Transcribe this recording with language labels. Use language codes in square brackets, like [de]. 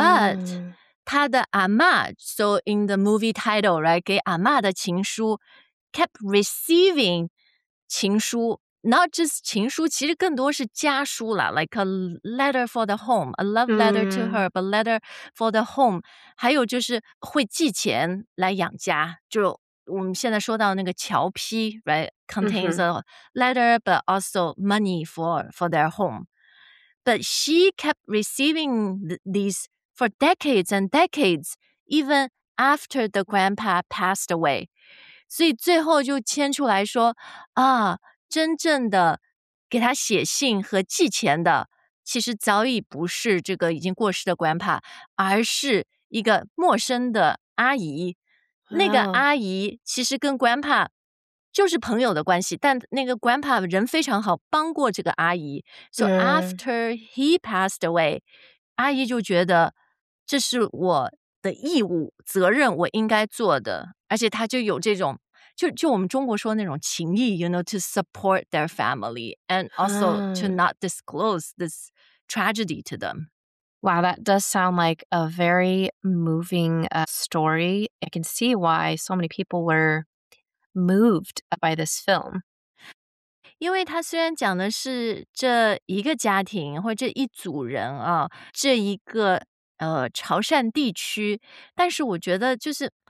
[en] But 他的阿嬷 So in the movie title, right, 给阿嬷的情书 kept receiving 情书 not just 情书其实更多是家书啦 like a letter for the home, a love letter、mm. to her, but letter for the home, 还有就是会寄钱来养家就我们现在说到那个乔批 right, contains a letter, but also money for their home. But she kept receiving these for decades and decades, even after the grandpa passed away. [zh] 所以最后就牵出来说啊，真正的给他写信和寄钱的其实早已不是这个已经过世的 grandpa, 而是一个陌生的阿姨。那个阿姨其实跟 grandpa 就是朋友的关系，但那个 grandpa 人非常好，帮过这个阿姨。 So after he passed away, 阿姨就觉得这是我的义务、责任，我应该做的。 [en] 而且她就有这种，就我们中国说那种情谊，you know, to support their family and also to not disclose this tragedy to them. Wow, that does sound like a very moving story. I can see why so many people were moved by this film. [zh] 因为他虽然讲的是这一个家庭或者这一组人啊，这一个潮汕地区，但是我觉得就是